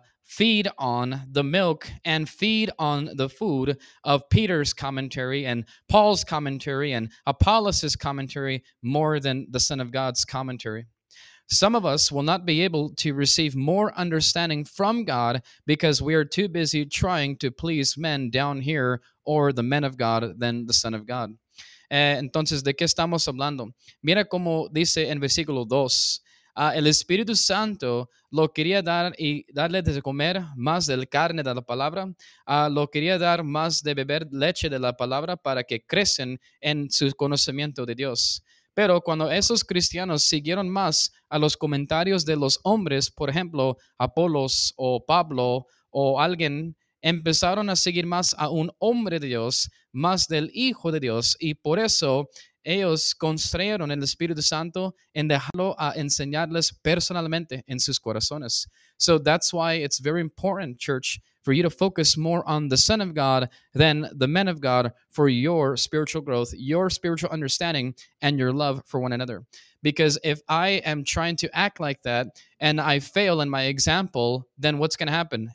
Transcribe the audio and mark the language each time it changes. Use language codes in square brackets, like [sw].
[en] feed on the milk and feed on the food of Peter's commentary and Paul's commentary and Apollos' commentary more than the Son of God's commentary. Some of us will not be able to receive more understanding from God because we are too busy trying to please men down here or the men of God than the Son of God. [es] Entonces, ¿de qué estamos hablando? Mira cómo dice en versículo 2, el Espíritu Santo lo quería dar y darle de comer más de la carne de la palabra, lo quería dar más de beber leche de la palabra para que crecen en su conocimiento de Dios. Pero cuando esos cristianos siguieron más a los comentarios de los hombres, por ejemplo, Apolos o Pablo o alguien, empezaron a seguir más a un hombre de Dios, más del Hijo de Dios, y por eso ellos constreñieron el Espíritu Santo en dejarlo a enseñarles personalmente en sus corazones. [en] So that's why it's very important, church, for you to focus more on the Son of God than the men of God for your spiritual growth, your spiritual understanding, and your love for one another. Because if I am trying to act like that and I fail in my example, then what's going to happen?